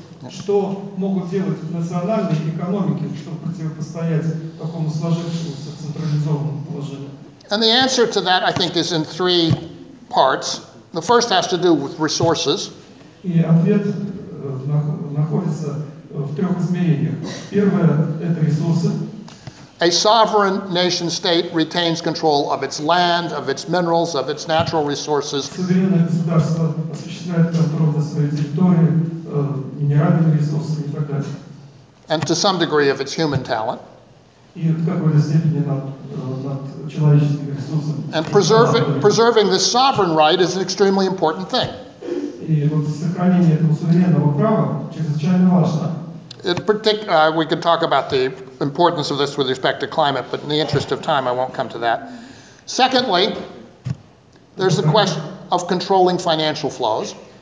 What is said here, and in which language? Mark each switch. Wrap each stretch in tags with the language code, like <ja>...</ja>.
<ru>Что могут делать национальные экономики, чтобы противостоять такому сложившемуся централизованному положению?</ru> <en>And the answer to that, I think, is in three parts. The first has to do with resources.</en> <ru>И ответ находится в трех измерениях. Первое – это ресурсы.</ru> <en>A sovereign nation state retains control of its land, of its minerals, of its natural resources.</en> <ru>Суверенное государство осуществляет контроль на своей территории, минеральными ресурсами и так далее.</ru> <en>And to some degree of its human talent.</en> <ru>И в какой-то степени над человеческими ресурсами.</ru> <en>And preserving this sovereign right is an extremely important thing.</en> <ru>И вот сохранение этого суверенного права чрезвычайно важно.</ru> <en>We could talk about the importance of this with respect to climate, but in the interest of time, I won't come to that. Secondly, there's the question of controlling financial flows.</en>